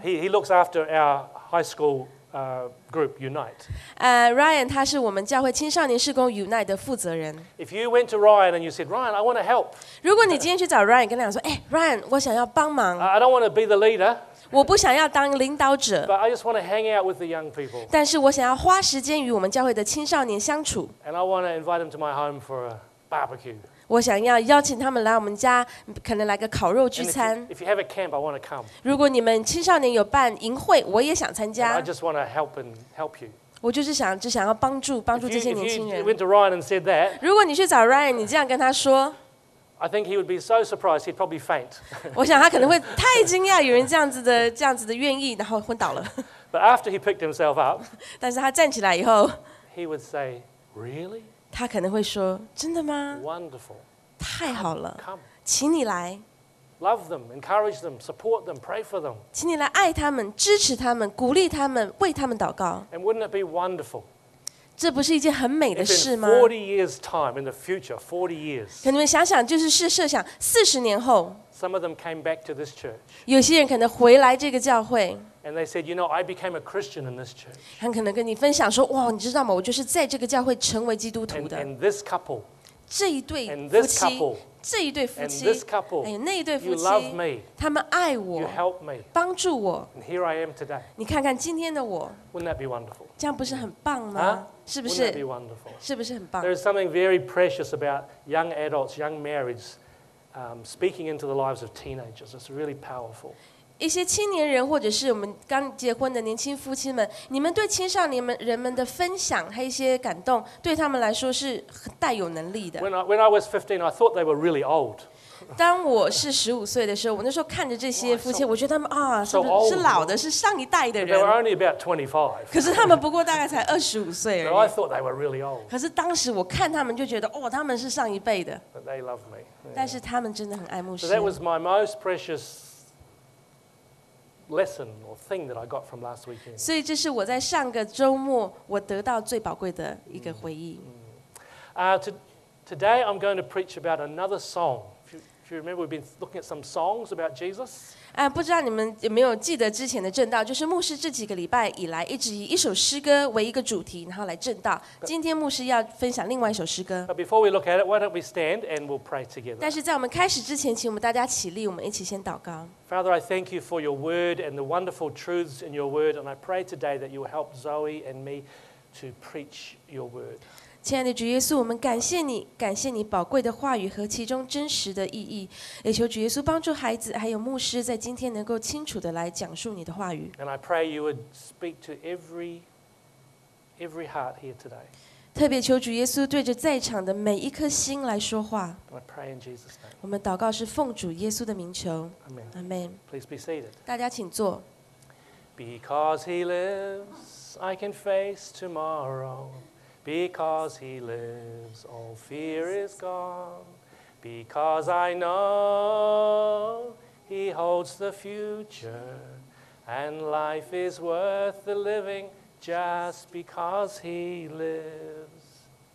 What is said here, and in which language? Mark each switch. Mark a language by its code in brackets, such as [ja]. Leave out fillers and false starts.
[en] He looks after our high school group Unite. [zh] Ryan, 他是我们教会青少年事工 Unite 的负责人。 [en] If you went to Ryan and you said, Ryan, I want to help. [zh] 如果你今天去找 Ryan, 跟他说，Ryan, 我想要帮忙。 [en] I don't want to be the leader. [zh] 我不想要当领导者。 [en] But I just want to hang out with the young people. [zh] 但是我想要花时间与我们教会的青少年相处。 [en] And I want to invite them to my home for a barbecue. [zh] 我想要邀请他们来我们家，可能来个烤肉聚餐。 [en] If you have a camp, I want to come. [zh] 如果你们青少年有办营会，我也想参加。 [en] I just want to help and help you. [zh] 我就是想，只想要帮助这些年轻人。 [en] If you went to Ryan and said that, [zh] 如果你去找 Ryan， 你这样跟他说。 [en] I think he would be so surprised he'd probably faint. [zh] 我想他可能会太惊讶，有人这样子的愿意，然后昏倒了。 [en] But after he picked himself up, [zh] 但是他站起来以后， [en] he would say, "Really?" [zh] 他可能会说，真的吗 [en] ？Wonderful. [zh] 太好了。 [en] Come, [zh] 请你来。 [en] Love them, encourage them, support them, pray for them. [zh] 请你来爱他们，支持他们，鼓励他们，为他们祷告。 [en] And wouldn't it be wonderful? [zh] 这不是一件很美的事吗 [en] ？40 years time in the future, 40 years. [zh] 可你们想想，就是设想40年后。 [en] Some of them came back to this church. [zh] 有些人可能回来这个教会。 [en] And they said, "You know, I became a Christian in this church." [zh] 他可能跟你分享说，哇，你知道吗？我就是在这个教会成为基督徒的。 [en] And this couple. [zh] 这一对夫妻。 [en] And this couple. [zh] 这一对夫妻。 [en] And this couple. [zh] 哎呀，那一对夫妻。 [en] You love me. [zh] 他们爱我。 [en] You help me. [zh] 帮助我。 [en] And here I am today. [zh] 你看看今天的我。 [en] Wouldn't that be wonderful? [zh] 这样不是很棒吗？是不是？ [en] Wouldn't that be wonderful? [zh] 是不是很棒？ [en] There is something very precious about young adults, young marriages, speaking into the lives of teenagers. It's really powerful. [zh] 一些青年人或者是我们刚结婚的年轻夫妻们，你们对青少年们人们的分享和一些感动，对他们来说是带有能力的。 [en] When I was 15, I thought they were really old. [zh] 当我是15岁的时候，我那时候看着这些夫妻，我觉得他们啊，是老的，是上一代的人。 [en] They were only about 25. [zh] 可是他们不过大概才25岁而已。 [en] So I thought they were really old. [zh] 可是当时我看他们就觉得，哦，他们是上一辈的。 [en] But they love me. [zh] 但是他们真的很爱牧师。 [en] So that was my most precious. Lesson or thing that I got from last weekend. [zh] 所以这是我在上个周末我得到最宝贵的一个回忆。 [en] Today I'm going to preach about another song. If you remember, we've been looking at some songs about Jesus. [zh] 不知道你们有没有记得之前的证道，就是牧师这几个礼拜以来一直以一首诗歌为一个主题，然后来证道。今天牧师要分享另外一首诗歌。 [en] But before we look at it, why don't we stand and we'll pray together? [zh] 但是在我们开始之前，请我们大家起立，我们一起先祷告。 [en] Father, I thank you for your word and the wonderful truths in your word, and I pray today that you will help Zoe and me to preach your word. [zh] 亲爱的主耶稣，我们感谢你，感谢你宝贵的话语和其中真实的意义，也求主耶稣帮助孩子还有牧师在今天能够清楚地来讲述你的话语。 [en] And I pray you would speak to every heart here today. [zh] 特别求主耶稣对着在场的每一颗心来说话。 [en] I pray in Jesus' name. [zh] 我们祷告是奉主耶稣的名求。 [en] Amen. Amen. Please be seated. [zh] 大家请坐。 [en] Because he lives, I can face tomorrow. Because he lives, all fear is gone. Because I know he holds the future, and life is worth the living just because he lives.